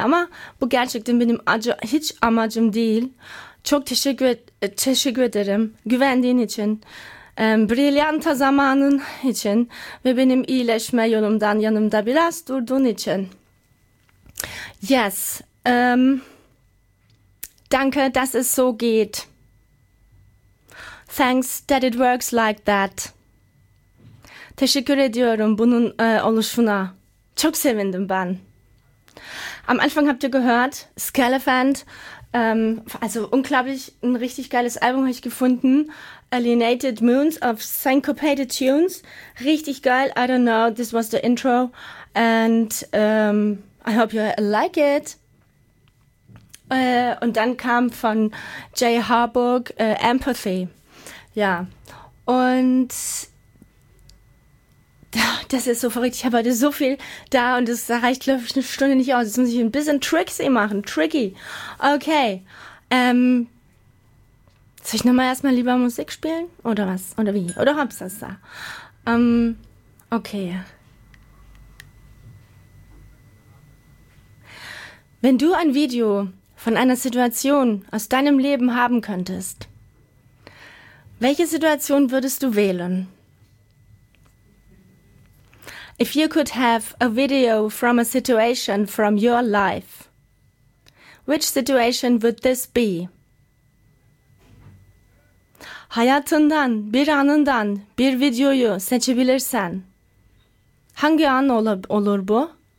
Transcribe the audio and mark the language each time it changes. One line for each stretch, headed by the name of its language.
Turkish: Ama bu gerçekten benim hiç amacım değil. Çok teşekkür ederim güvendiğin için. Brilyanta zamanın için ve benim iyileşme yolumdan yanımda biraz durduğun için.
German: Yes, danke, dass es so geht.
English: Thanks that it works like that.
Turkish: Teşekkür ediyorum bunun oluşuna. Çok sevindim ben.
German: Am Anfang habt ihr gehört, Scalafant. Also unglaublich, ein richtig geiles Album habe ich gefunden.
English: Alienated Moons of Syncopated Tunes.
German: Richtig geil,
English: I don't know, this was the intro. And I hope you like it.
German: Und dann kam von Jay Harburg Empathy. Ja, und das ist so verrückt. Ich habe heute so viel da und es reicht, glaube ich, eine Stunde nicht aus. Jetzt muss ich ein bisschen tricksy machen. Tricky. Okay. Soll ich nochmal erstmal lieber Musik spielen? Oder was? Oder wie? Oder hab's das da? Okay. Wenn du ein Video von einer Situation aus deinem Leben haben könntest, welche Situation würdest du wählen?
English: If you could have a video from a situation from your life, which situation would this be?
Turkish: Hayatından, bir anından bir videoyu seçebilirsen, hangi an olur bu?